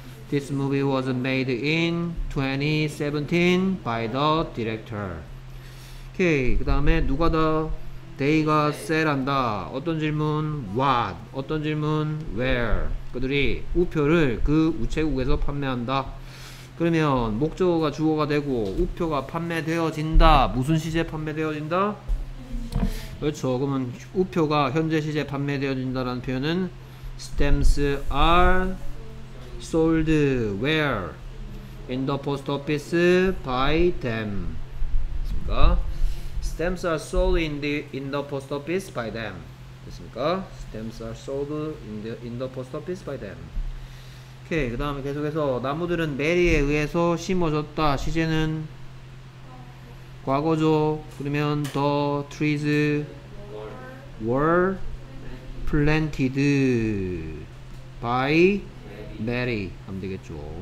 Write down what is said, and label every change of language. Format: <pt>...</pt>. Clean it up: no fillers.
<en>this movie was made in 2017 by the director.</en> <ko>오케이, 그 다음에 누가 더? they가 sell한다. 어떤 질문? what? 어떤 질문? where? 그들이 우표를 그 우체국에서 판매한다. 그러면 목적어가 주어가 되고 우표가 판매되어진다. 무슨 시제 판매되어진다? 그렇죠. 그러면 우표가 현재 시제 판매되어진다라는 표현은</ko> <en>stamps are sold where? in the post office by them.</en> <ko>됐습니까?</ko> <en>Stamps are sold in the post office by them.</en> <ko>됐습니까?</ko> <en>Stamps are sold in the post office by them.</en> <ko>오케이, 그 다음에 계속해서 나무들은 메리에 의해서 심어졌다. 시제는 과거죠. 그러면</ko> <en>the trees were planted by Mary</en> <ko>하면 되겠죠.</ko>